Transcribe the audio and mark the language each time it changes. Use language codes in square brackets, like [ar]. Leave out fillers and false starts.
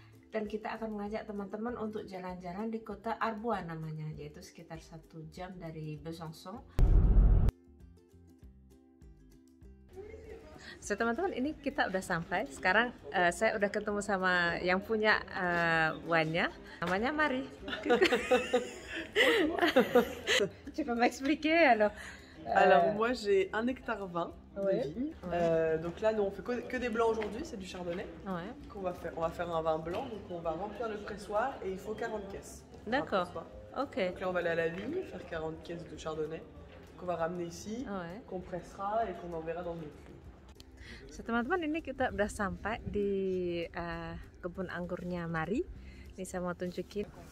[id] Dan kita akan mengajak teman-teman untuk jalan-jalan di kota Arbois namanya, yaitu sekitar 1 jam dari Besançon. So, teman-teman, ini kita udah sampai. Sekarang saya udah ketemu sama yang punya wine-nya. Namanya Mari. [fr] Je peux m'expliquer alors. Alors moi j'ai 1 hectare 20 de vignes. Donc là nous on fait que des blancs aujourd'hui, c'est du chardonnay. Ouais. Qu'on va faire, on va faire un vin blanc, donc on va remplir le pressoir et il faut 40 caisses. D'accord. OK. Donc là on va aller à la vigne faire 40 caisses de chardonnay qu'on va ramener ici, qu'on pressera et qu'on enverra dans nos cuves. [id] So, teman-teman, ini kita udah sampai di kebun anggurnya Mari. Ini saya mau tunjukin.